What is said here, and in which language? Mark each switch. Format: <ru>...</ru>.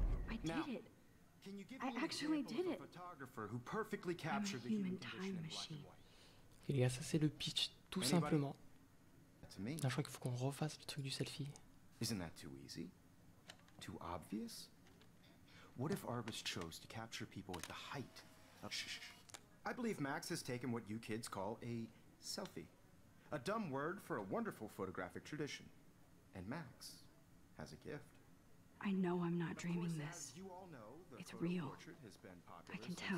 <en>I did it. Can you give me a photographer who perfectly captured the human time machine.</en> <fr>Et les gars, ça c'est le pitch, tout simplement. Je crois qu'il faut qu'on refasse le truc du selfie.</fr> <en>Isn't that too easy? Too obvious? What if Arbus chose to capture people at the height of... I believe Max has taken what you kids call a selfie. A dumb word for a wonderful photographic tradition. And Max has a gift. I know I'm not dreaming this. You all know, it's real. Has been I can tell.</en>